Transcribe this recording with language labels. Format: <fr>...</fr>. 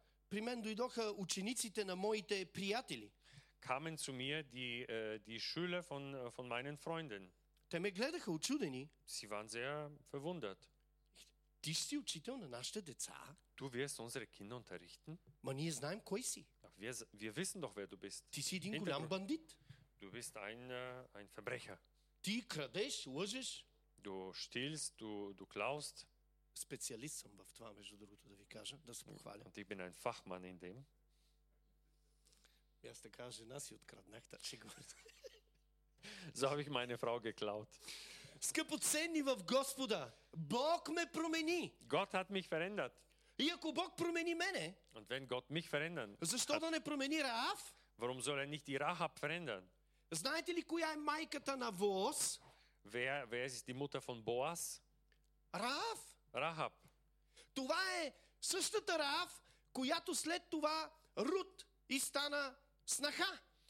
<bg>при мен дойдоха учениците на моите приятели.</bg> <de>Kamen zu mir die Schüler von meinen Freunden.</de> <bg>Те ме гледаха учудени.</bg> <de>Sie waren sehr verwundert.</de> <bg>Ти си учител на нашите деца?</bg> <de>Du wirst unsere Kinder unterrichten?</de> <bg>Ма ние знаем кой си.</bg> <de>Wir wissen doch, wer du bist.</de> <bg>Ти си един голям бандит.</bg> <de>Du bist ein Verbrecher.</de> <bg>Ти крадеш, лъжеш.</bg> <de>Du stehlst, du klaust.</de> <bg>Специалист съм в това, между другото, да ви кажа, да се похваля.</bg> <de>Und ich bin ein Fachmann in dem.</de> <bg>Аз така жена си откраднах, така че говорите.</bg> <de>So habe ich meine Frau geklaut.</de> <bg>Скъпоценни в Господа, Бог ме промени.</bg> <de>Gott hat mich verändert.</de> <bg>И ако Бог промени мене,</bg> <de>und wenn Gott mich verändern,</de> <bg>защо да не промени Раав?</bg> <de>Warum soll er nicht die Rahab verändern?</de> <bg>Знаете ли коя е майката на Воос?</bg> <de>Wer ist die Mutter von Boas?</de> <bg>Раав.</bg> <de>Rahab.</de> <bg>Това е същата Раав, която след това Рут и стана снаха.</bg>